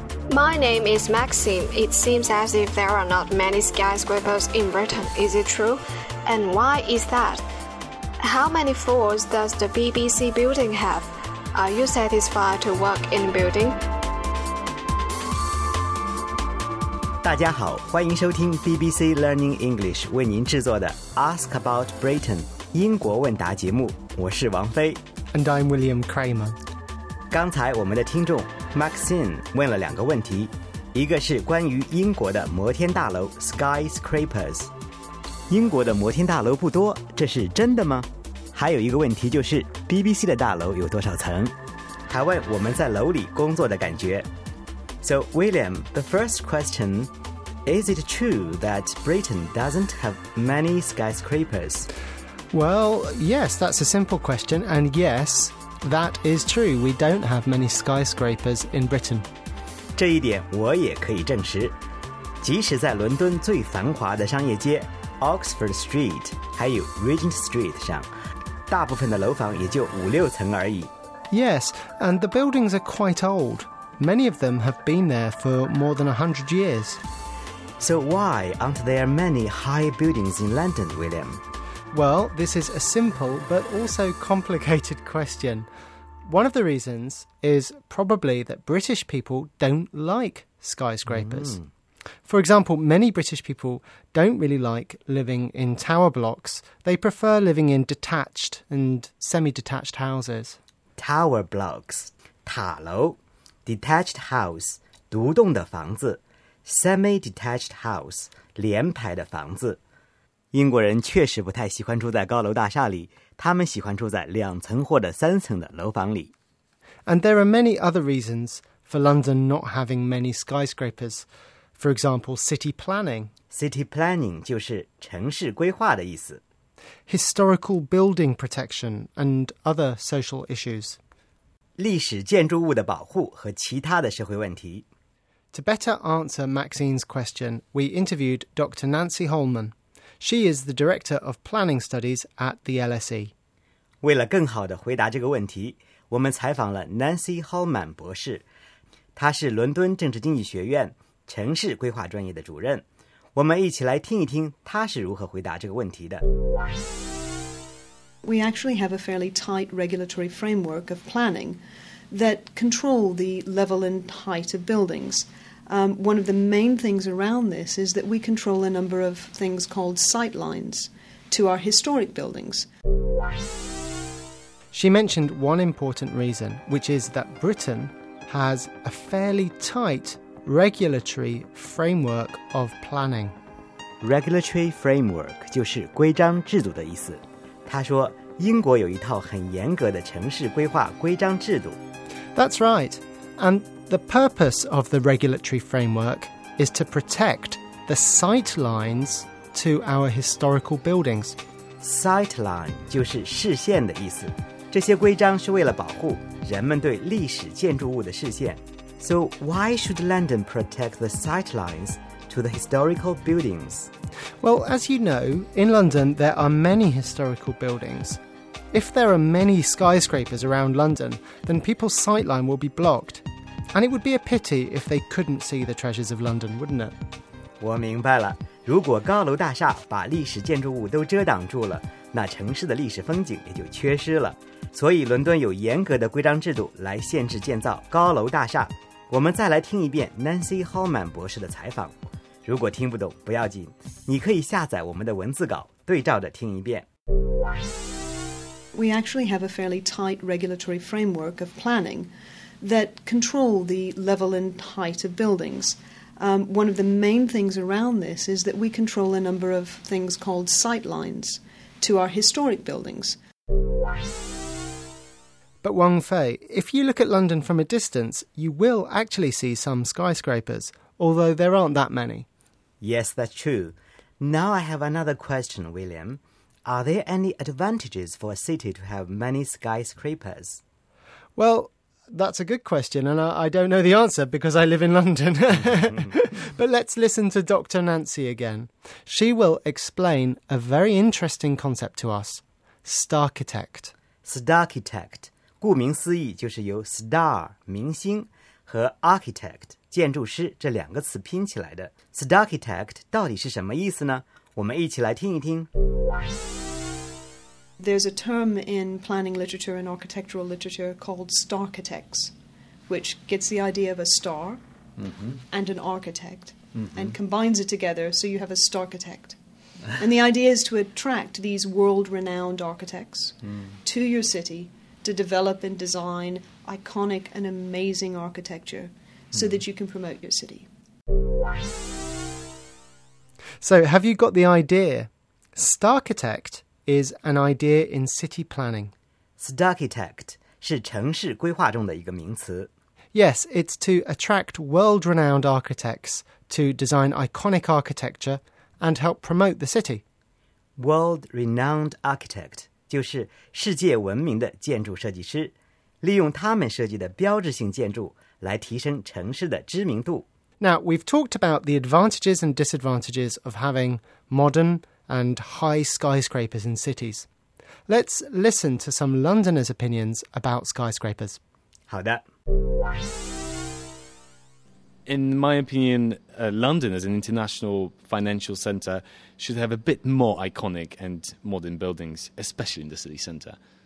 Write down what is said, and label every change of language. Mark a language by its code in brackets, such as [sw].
[en] My name is Maxime. It seems as if there are not many skyscrapers in Britain. Is it true? And why is that? How many floors does the BBC building have? Are you satisfied to work in the building? [zh] 大家好，欢迎收听 BBC Learning English 为您制作的 Ask About Britain 英国问答节目，我是王飞。 [en] And I'm William Cramer。 [zh] 刚才我们的听众 Maxine 问了两个问题，一个是关于英国的摩天大楼 Skyscrapers。英国的摩天大楼不多，这是真的吗？还有一个问题就是 BBC 的大楼有多少层，还问我们在楼里工作的感觉。 [en] So, William, the first question, is it true that Britain doesn't have many skyscrapers? Well, yes, that's a simple question, and yes, that is true. We don't have many skyscrapers in Britain. [zh] 这一点我也可以证实。即使在伦敦最繁华的商业街 Oxford Street 还有 Regent Street 上，大部分的楼房也就五六层而已。 [en] Yes, and the buildings are quite old. Many of them have been there for more than 100 years. So why aren't there many high buildings in London, William? Well, this is a simple but also complicated question. One of the reasons is probably that British people don't like skyscrapers. For example, many British people don't really like living in tower blocks. They prefer living in detached and semi-detached houses. Tower blocks, 塔楼。 [zh] Detached house, 独栋的房子 Semi-detached house, 连排的房子。英国人确实不太喜欢住在高楼大厦里，他们喜欢住在两层或者三层的楼房里。 [en] And there are many other reasons for London not having many skyscrapers. For example, city planning. [zh] City planning 就是城市规划的意思。 [en] Historical building protection and other social issues. [zh] 历史建筑物的保护和其他的社会问题。 [en] To better answer Maxine's question, we interviewed Dr. Nancy Holman. She is the Director of Planning Studies at the LSE. [zh] 为了更好地回答这个问题，我们采访了 Nancy Holman 博士。她是伦敦政治经济学院城市规划专业的主任。我们一起来听一听她是如何回答这个问题的。 [en] We actually have a fairly tight regulatory framework of planning that control the level and height of buildings. One of the main things around this is that we control a number of things called sight lines to our historic buildings. She mentioned one important reason, which is that Britain has a fairly tight regulatory framework of planning. [zh] Regulatory framework 就是规章制度的意思。她说英国有一套很严格的城市规划规章制度。 [en] That's right. And the purpose of the regulatory framework is to protect the sight lines to our historical buildings. [zh] Sight line 就是视线的意思。这些规章是为了保护人们对历史建筑物的视线。 [en] So why should London protect the sight lines to the historical buildings? Well, as you know, in London, there are many historical buildings. If there are many skyscrapers around London, then people's sightline will be blocked. And it would be a pity if they couldn't see the treasures of London, wouldn't it? [zh] 我明白了。如果高楼大厦把历史建筑物都遮挡住了，那城市的历史风景也就缺失了。所以伦敦有严格的规章制度来限制建造高楼大厦。我们再来听一遍 Nancy Holman 博士的采访。如果听不懂不要紧，你可以下载我们的文字稿，对照着听一遍。 [en] We actually have a fairly tight regulatory framework of planning that control the level and height of buildings. One of the main things around this is that we control a number of things called sight lines to our historic buildings. But Wang Fei, if you look at London from a distance, you will actually see some skyscrapers, although there aren't that many. Yes, that's true. Now I have another question, William. Are there any advantages for a city to have many skyscrapers? Well, That's a good question, and I don't know the answer because I live in London. But let's listen to Dr. Nancy again. She will explain a very interesting concept to us, Starkitect. [zh] Starkitect, 顾名思义就是由 star, 明星和 architect, 建筑师这两个词拼起来的。 Starkitect 到底是什么意思呢？我们一起来听一听。 [en] There's a term in planning literature and architectural literature called Starkitects, which gets the idea of a star、mm-hmm. and an architect、mm-hmm. and combines it together so you have a Starkitect. And the idea is to attract these world-renowned architects、mm. to your city to develop and design iconic and amazing architecture so、mm. that you can promote your city. So have you got the idea? Starkitect... is an idea in city planning. [zh] Starkitect 是城市规划中的一个名词。 [en] Yes, it's to attract world-renowned architects to design iconic architecture and help promote the city. [zh] World-renowned architect 就是世界闻名的建筑设计师，利用他们设计的标志性建筑来提升城市的知名度。 [en] Now, we've talked about the advantages and disadvantages of having modern... and high skyscrapers in cities. Let's listen to some Londoners' opinions about skyscrapers. [zh] 好的。 [en] In my opinion, London as an international financial centre should have a bit more iconic and modern buildings, especially in the city centre.